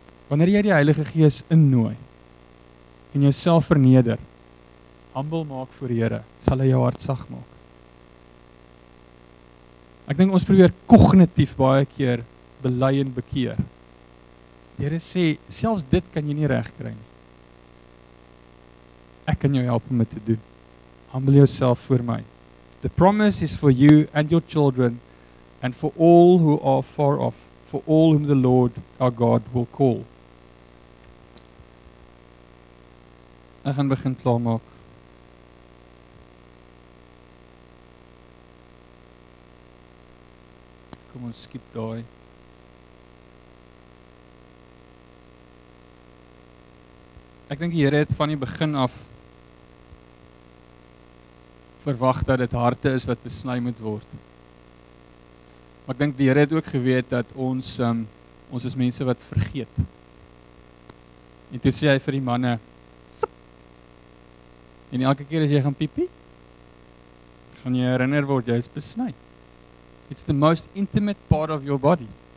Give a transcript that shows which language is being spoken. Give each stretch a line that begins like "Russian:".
Afrikaans: Wanneer jy die Heilige Gees innooi en jouself verneder, humble maak voor die Here, sal hy jou hart sag maak. Ek dink ons probeer kognitief baie keer bely en bekeer. Die Here sê, selfs dit kan jy nie regkry nie. Ek kan jou help om dit te doen. Humble jouself voor my.
English: The promise is for you and your children and for all who are far off, for all whom the Lord our God will call.
Afrikaans: Ek gaan begin klaarmaak. Kom ons skip daai. Ek dink die Here het van die begin af verwag dat dit harte is wat besny moet word. Maar ek dink die Here het ook geweet dat ons, ons is mense wat vergeet. En toe sê hy vir die manne, sip. En elke keer as jy gaan piepie, gaan jy herinner word, jy is besny.
English: It's the most intimate part of your body.